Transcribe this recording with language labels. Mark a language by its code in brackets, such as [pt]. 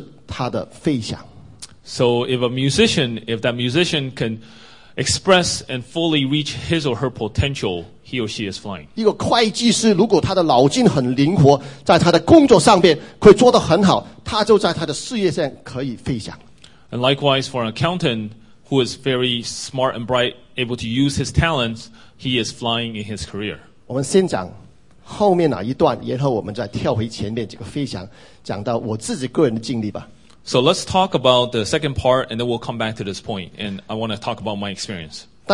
[zh] 一个音乐家如果他在音乐里面能够发挥出他的那个能力，就是他的飞翔。So [en] if that musician can express and fully reach his or her potential, he or she is flying. [zh] 一个会计师如果他的脑筋很灵活，在他的工作上面可以做得很好，他就在他的事业上可以飞翔。And [en] likewise, for an accountant who is very smart and bright, able to use his talents, he is flying in his career. [zh] 我们先讲后面哪一段，然后我们再跳回前面这个飞翔，讲到我自己个人的经历吧。So [en] let's talk about the second part, and then we'll come back to this point, and I want to talk about my experience.